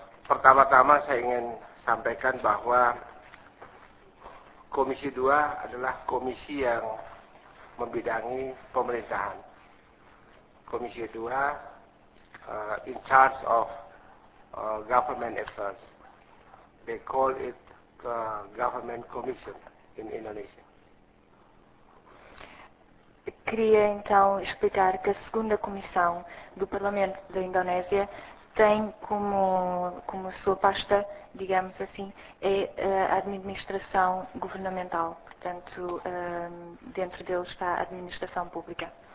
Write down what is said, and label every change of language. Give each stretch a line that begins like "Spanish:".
Indonesian: Pertama-tama saya ingin sampaikan bahwa Komisi 2 adalah komisi yang membidangi pemerintahan.
English: Komisi 2 in charge of government affairs. They call it the government commission in Indonesia.
Portuguese: Queria então explicar que a segunda comissão do Parlamento da Indonésia tem como sua pasta, digamos assim, é a administração governamental. Portanto, dentro dele está a administração pública.